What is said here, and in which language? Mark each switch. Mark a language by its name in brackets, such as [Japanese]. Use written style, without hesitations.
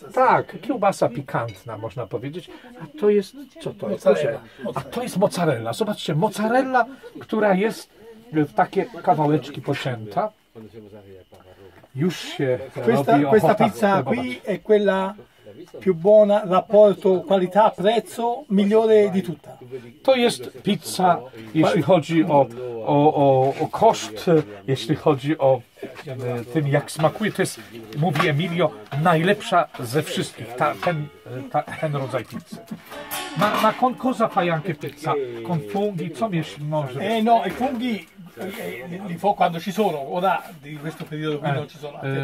[Polish] Tak, kiełbasa pikantna, można powiedzieć. A to jest, co to jest? Mozzarella. A to jest mozzarella. Zobaczcie, mozzarella, która jest w takie kawałeczki pocięta. Już się [Italian] questa, [Polish] robi [Italian] questa pizza qui è quella più buona, rapporto qualità prezzo migliore di tutta. [Polish] To jest pizza, jeśli chodzi o koszt, jeśli chodzi o tym, jak smakuje. To jest, mówi Emilio, najlepsza ze wszystkich, ten rodzaj pizzy. [Italian] Ma con cosa fai anche pizza? Con funghi? [Polish] Co mi może? [Italian] No, i funghi li fa quando ci sono, ora di questo periodo qui non ci sono.